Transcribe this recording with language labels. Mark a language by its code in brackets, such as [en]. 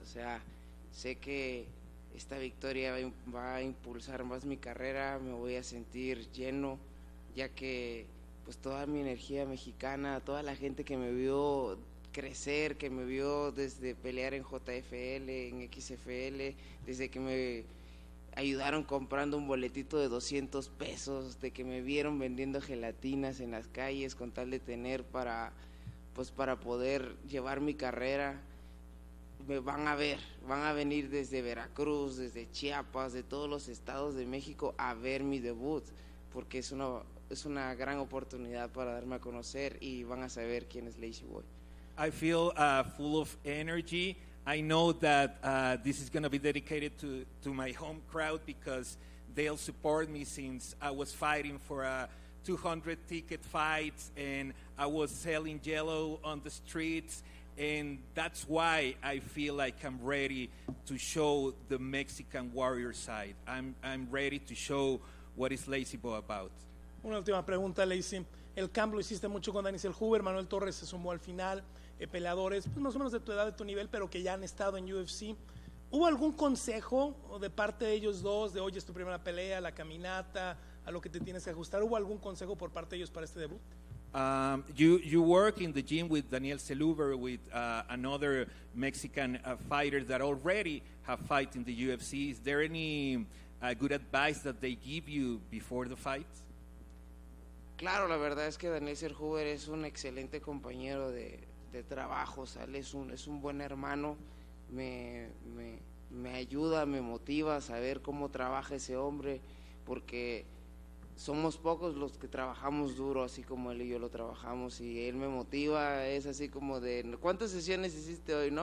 [es] O sea, sé que esta victoria va a impulsar más mi carrera, me voy a sentir lleno, ya que pues toda mi energía mexicana, toda la gente que me vio crecer, que me vio desde pelear en JFL, en XFL, desde que me ayudaron comprando un boletito de 200 pesos, de que me vieron vendiendo gelatinas en las calles con tal de tener para, pues para poder llevar mi carrera, me van a ver, van a venir desde Veracruz, desde Chiapas, de todos los estados de México a ver mi debut, porque es una gran oportunidad para darme a conocer y van a saber quién es Lazy Boy. [en] I feel full of energy. I know that this is going to be dedicated to my home crowd because they'll support me since I was fighting for a 200 ticket fight and I was selling yellow on the streets, and that's why I feel like I'm ready to show the Mexican warrior side. I'm ready to show what is Lazy Boy about. [es] Una última pregunta, Lazy. El camp lo hiciste mucho con Daniel Huber, Manuel Torres se sumó al final. Peleadores, pues más o menos de tu edad, de tu nivel, pero que ya han estado en UFC. ¿Hubo algún consejo de parte de ellos dos, de hoy es tu primera pelea, la caminata, a lo que te tienes que ajustar? ¿Hubo algún consejo por parte de ellos para este debut? [en] You work in the gym with Daniel Celuber, with another Mexican fighter that already have fight in the UFC. Is there any good advice that they give you before the fight? [es] Claro, la verdad es que Daniel Celuber es un excelente compañero de trabajo, ¿sale? Es un buen hermano, me ayuda, me motiva a saber cómo trabaja ese hombre, porque somos pocos los que trabajamos duro, así como él y yo lo trabajamos, y él me motiva, es así como de, ¿cuántas sesiones hiciste hoy?